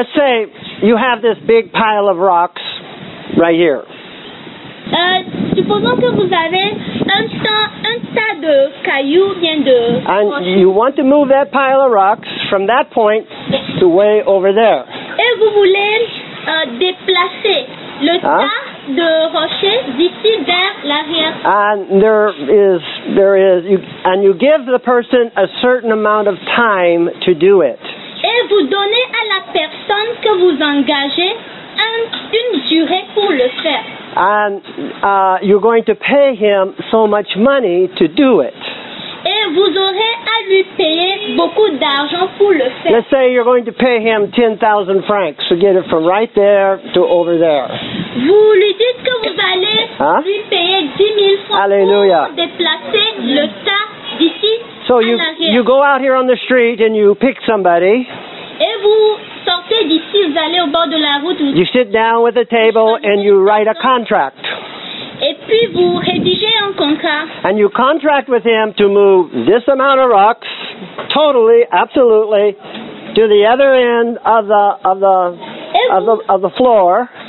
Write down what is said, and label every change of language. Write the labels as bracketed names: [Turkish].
[English] Let's say... You have this big pile of rocks right here. [French] Supposons que vous avez un tas de cailloux bien de. [English] And you want to move that pile of rocks from that point to way over there. [French] Et vous voulez déplacer le tas de rochers d'ici vers l'arrière. [English] And there is you, and you give the person a certain amount of time to do it. [French] Et vous donnez à la personne que vous engagez une durée pour le faire. [English] And you're going to pay him so much money to do it. [French] Et vous aurez à lui payer beaucoup d'argent pour le faire. [English] Let's say you're going to pay him 10,000 francs to get it from right there to over there. [French] Vous lui dites que vous allez lui payer 10,000 francs. Alleluia. Pour déplacer le tas d'ici. [English] So you go out here on the street and you pick somebody. [French] Et vous sortez d'ici, vous allez au bord de la route. [English] You sit down with a table and you write a contract. [French] Et puis vous rédigez un contrat. [English] And you contract with him to move this amount of rocks, totally, absolutely, to the other end of the floor.